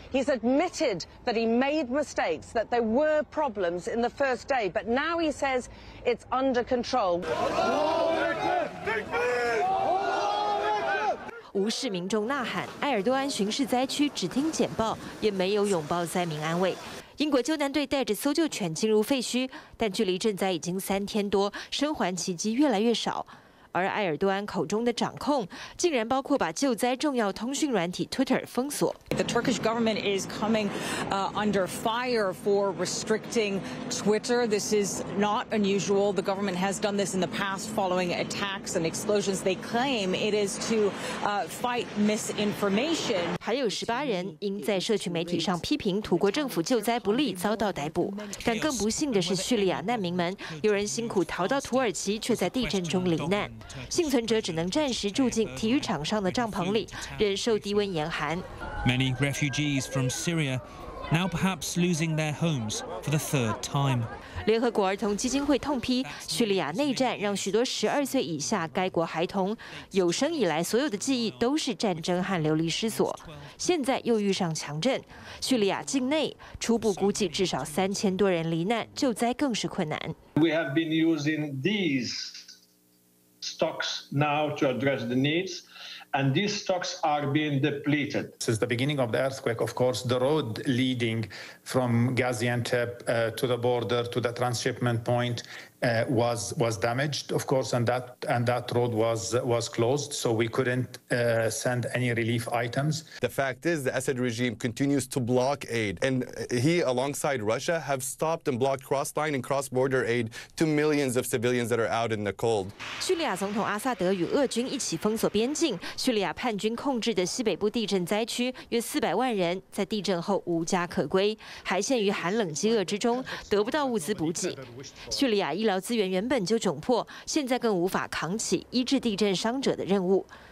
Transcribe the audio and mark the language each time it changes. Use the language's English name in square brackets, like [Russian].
[English] He's admitted that he made mistakes, that there were problems in the first day, but now he says it's under control. [Chinese] 无视民众呐喊，埃尔多安巡视灾区，只听简报，也没有拥抱灾民安慰。英国救难队带着搜救犬进入废墟，但距离震灾已经3天多，生还奇迹越来越少。而埃尔多安口中的掌控，竟然包括把救灾重要通讯软体 Twitter 封锁。 [English] The Turkish government is coming under fire for restricting Twitter. This is not unusual. The government has done this in the past following attacks and explosions. They claim it is to fight misinformation. [Chinese] 还有18人因在社群媒体上批评土国政府救灾不力遭到逮捕。但更不幸的是，叙利亚难民们，有人辛苦逃到土耳其，却在地震中罹难。幸存者只能暂时住进体育场上的帐篷里，忍受低温严寒。 [English] Many refugees from Syria now perhaps losing their homes for the third time. [Chinese] 联合国儿童基金会痛批，叙利亚内战让许多12岁以下该国孩童有生以来所有的记忆都是战争和流离失所。现在又遇上强震，叙利亚境内初步估计至少3000多人罹难，救灾更是困难。 [English] We have been using these stocks now to address the needs, and these stocks are being depleted. Since the beginning of the earthquake, of course, the road leading from Gaziantep to the border to the transshipment point was damaged, of course, and that road was closed, so we couldn't send any relief items. The fact is, the Assad regime continues to block aid, and he, alongside Russia, have stopped and blocked cross-line and cross-border aid to millions of civilians that are out in the cold. [Chinese] 叙利亚总统阿萨德与俄军一起封锁边境，叙利亚叛军控制的西北部地震灾区约400万人在地震后无家可归，还陷于寒冷饥饿之中，得不到物资补给。叙利亚医疗资源原本就窘迫，现在更无法扛起医治地震伤者的任务。